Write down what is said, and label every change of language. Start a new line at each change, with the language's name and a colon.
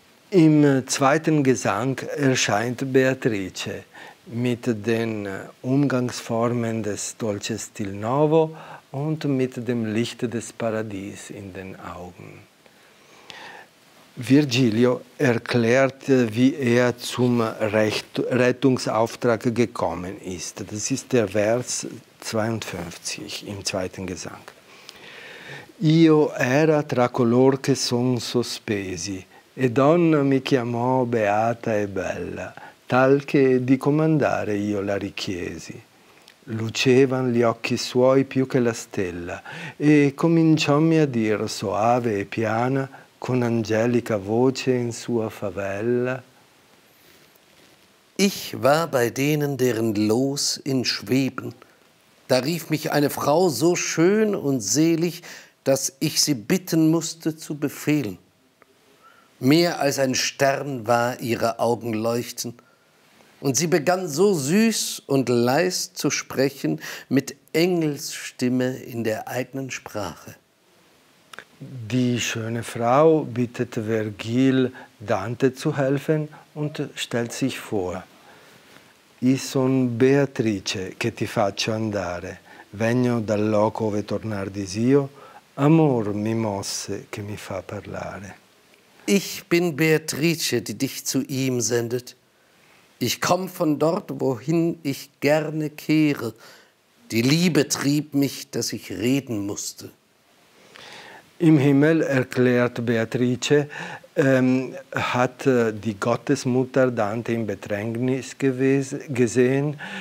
German: Im zweiten Gesang erscheint Beatrice mit den Umgangsformen des Dolce Stil Novo und mit dem Licht des Paradies in den Augen. Virgilio erklärt, wie er zum Rettungsauftrag gekommen ist. Das ist der Vers 52 im zweiten Gesang.
Italian: Io era tra color che son sospesi, e donna mi chiamò beata e bella, tal che di comandare io la richiesi. Lucevan gli occhi suoi più che la stella, e cominciommi a dir soave e piana, con angelica voce in sua favella.
German: Ich war bei denen, deren Los in Schweben, da rief mich eine Frau so schön und selig, dass ich sie bitten musste zu befehlen. Mehr als ein Stern war ihre Augen leuchten, und sie begann so süß und leis zu sprechen, mit Engelsstimme in der eigenen Sprache. Die schöne Frau bittet Vergil, Dante zu helfen, und stellt sich vor.
Italian: I son Beatrice, che ti faccio andare, vegno dal loco ove tornar disio, amor mi mosse, che mi fa parlare.
German: Ich bin Beatrice, die dich zu ihm sendet. Ich komm von dort, wohin ich gerne kehre. Die Liebe trieb mich, dass ich reden musste. Im Himmel, erklärt Beatrice, hat die Gottesmutter Dante in Bedrängnis gesehen.